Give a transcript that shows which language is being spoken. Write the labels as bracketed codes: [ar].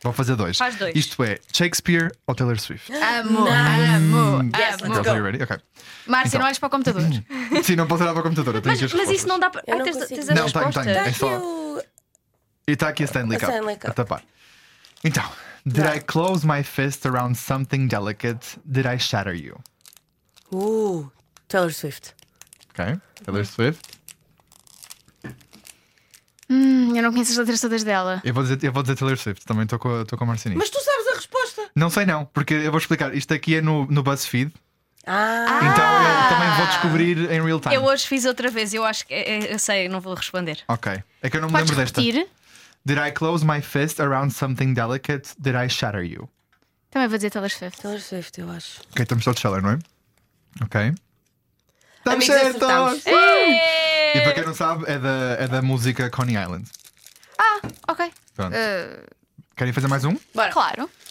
[pt] Vou fazer dois. Faz dois. Isto é Shakespeare ou Taylor Swift? Amo. [en] Yes, let's go. Okay. [pt] Márcia, então, não olhas para o computador. Sim, não posso olhar para o computador. Mas isso não dá para. Não, tenho. E está aqui a Stanley Cup. A tapar. Então, [en] Did I close my fist around something delicate? Did I shatter you? [pt] Ooh, Taylor Swift. Okay, Taylor Swift. Eu não conheço as letras todas dela. Eu vou dizer Taylor Swift, também estou com a Marcinha. Mas tu sabes a resposta? Não sei não, porque eu vou explicar. Isto aqui é no BuzzFeed. Ah. Então eu também vou descobrir em [en] real time. [pt] Eu hoje fiz outra vez, eu acho que eu sei, não vou responder. Ok, é que eu não me lembro desta. [en] Did I close my fist around something delicate? Did I shatter you? [pt] Também vou dizer Taylor Swift. Taylor Swift, eu acho. Ok, estamos todos Taylor, não é? Ok. Estamos certos! E para quem não sabe, é da música Coney Island. Ah, ok. Pronto. Querem fazer mais um? Bora. Claro.